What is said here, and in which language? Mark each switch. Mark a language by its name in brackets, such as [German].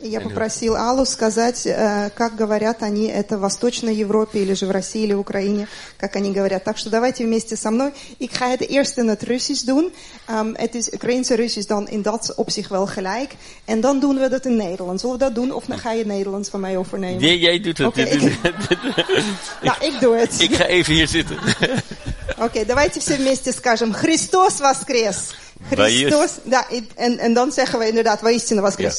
[Russian] Я попросил Аллу сказать, как говорят они это в Восточной Европе или же в России или Украине, как они говорят. Так что давайте вместе со мной. [Dutch] Ik ga het eerst in het Russisch doen. Het is Oekraïense Russisch dan in dat opzicht wel gelijk. En dan doen we dat in Nederlands. Zullen we dat doen of dan ga je Nederlands van mij overnemen? Nee, jij doet het. Okay, ik doe het. Ik ga even hier zitten. [Russian] Oké, давайте все вместе скажем Христос воскрес. Христос, да, и [Dutch] dan zeggen we inderdaad [Russian] воистину воскрес.